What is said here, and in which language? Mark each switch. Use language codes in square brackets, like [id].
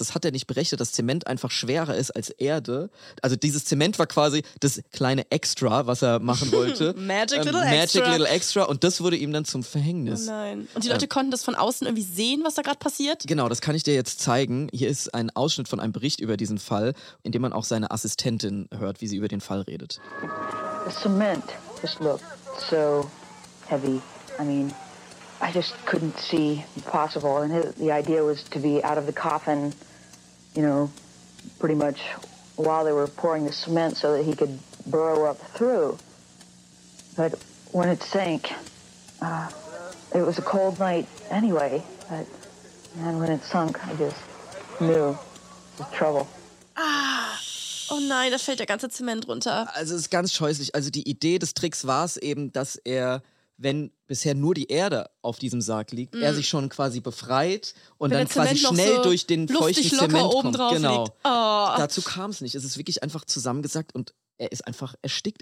[de] Das hat er nicht berechnet, dass Zement einfach schwerer ist als Erde. Also dieses Zement war quasi das kleine Extra, was er machen wollte. [en] Magic little extra. [de] Und das wurde ihm dann zum Verhängnis. Oh nein. Und die Leute konnten das von außen irgendwie sehen, was da gerade passiert? Genau, das kann ich dir jetzt zeigen. Hier ist ein Ausschnitt von einem Bericht über diesen Fall, in dem man auch seine Assistentin hört, wie sie über den Fall redet. [en] The cement just looked so heavy. I mean, I just couldn't see possible. And the idea was to be out of the coffin, you know, pretty much while they were pouring the cement so that he could burrow up through. But when it sank, it was a cold night anyway. But and when it sunk, I just knew it was trouble. [de] Oh nein, da fällt der ganze Zement runter. Also es ist ganz scheußlich. Also die Idee des Tricks war es eben, dass er, wenn bisher nur die Erde auf diesem Sarg liegt, er sich schon quasi befreit und wenn dann quasi schnell so durch den feuchten locker Zement oben kommt. Genau. Oh. Dazu kam es nicht. Es ist wirklich einfach zusammengesackt und er ist einfach erstickt.